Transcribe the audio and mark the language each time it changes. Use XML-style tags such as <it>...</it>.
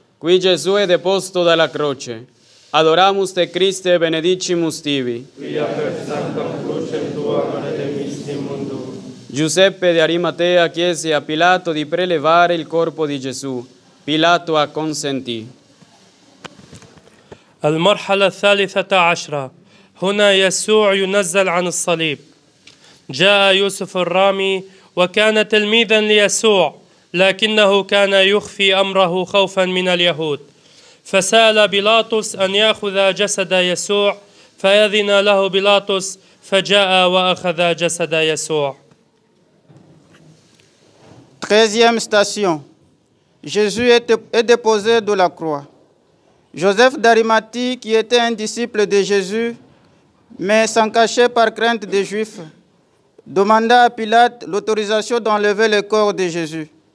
<it>qui Gesù è deposto dalla croce.</it> <la>Adoramus te, Christe, benedicimus tibi. Quia per santam crucem tuam redemissimundum.</la> <it>Giuseppe di Arimatea chiese a Pilato di prelevare il corpo di Gesù. Pilato acconsentì.</it> <ar>المرحلة الثالثة عشرة هنا يسوع ينزل عن الصليب جاء يوسف الرامي وكان تلميذا ليسوع لكنه كان يخفي أمره خوفا من اليهود فسأل بيلاطس أن يأخذ جسد يسوع فأذن له بيلاطس فجاء وأخذ جسد يسوع</ar> <fr>13e station Jésus est déposé de la croix. Joseph d'Arimathie, qui était un disciple de Jésus, mais s'en cachait par crainte des Juifs, demanda à Pilate l'autorisation d'enlever le corps de Jésus.</fr>